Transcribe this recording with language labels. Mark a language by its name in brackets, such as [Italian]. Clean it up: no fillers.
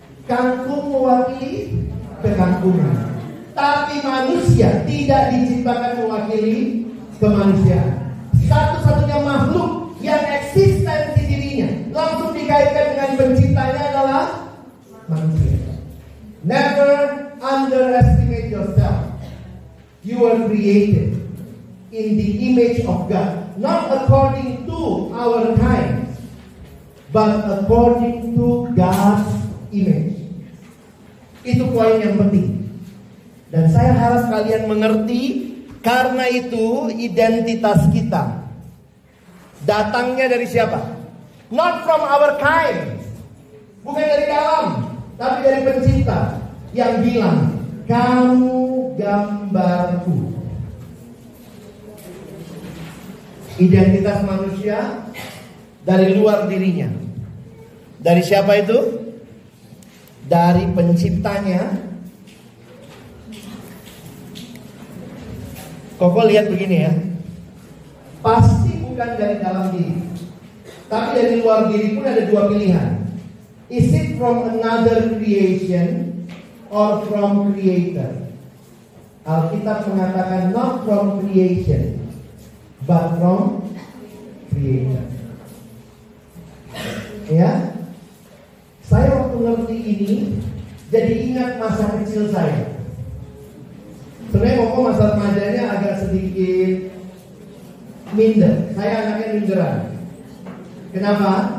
[Indonesian] Kangkung mewakili kekangkungan. Tapi manusia tidak diciptakan mewakili kemanusiaan. Satu-satunya makhluk yang eksistensi dirinya langsung dikaitkan dengan penciptanya adalah manusia. [English] Never underestimate yourself. You were created in the image of God, not according to our kind, but according to God's image. [Indonesian] Itu poin yang penting. Dan saya harap kalian mengerti, karena itu identitas kita datangnya dari siapa? [English] Not from our kind. [Indonesian] Bukan dari dalam, tapi dari pencipta yang bilang, kamu gambarku. Identitas manusia dari luar dirinya. Dari siapa itu? Dari penciptanya. Koko lihat begini ya. Pasti bukan dari dalam diri, tapi dari luar diri pun ada dua pilihan. [English] Is it from another creation or from creator? [Indonesian] Alkitab mengatakan [English] not from creation, but from creator. [Indonesian] Ya? Saya waktu ngerti ini, jadi ingat masa kecil saya. Sebenarnya pokok masa remajanya agak sedikit minder. Saya anaknya minderan. Kenapa?